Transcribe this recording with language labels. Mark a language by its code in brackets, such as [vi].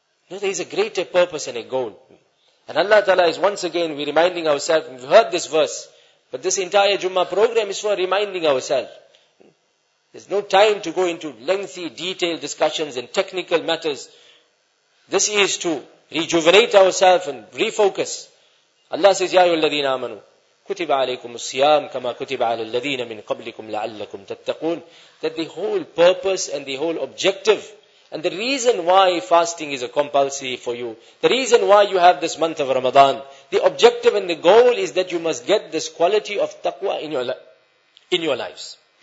[en] No, there is a greater purpose and a goal. And Allah ta'ala is once again reminding ourselves, we've heard this verse, but this entire Jummah program is for reminding ourselves. There's no time to go into lengthy, detailed discussions and technical matters. This is to rejuvenate ourselves and refocus. Allah says, [ar] يَا أَيُّهَا الَّذِينَ آمَنُوا كُتِبَ عَلَيْكُمُ الصِّيَامُ كَمَا كُتِبَ عَلَى الَّذِينَ مِنْ قَبْلِكُمْ لَعَلَّكُمْ تَتَّقُونَ. [en] That the whole purpose and the whole objective and the reason why fasting is a compulsory for you, the reason why you have this month of Ramadan, the objective and the goal is that you must get this quality of taqwa in your lives.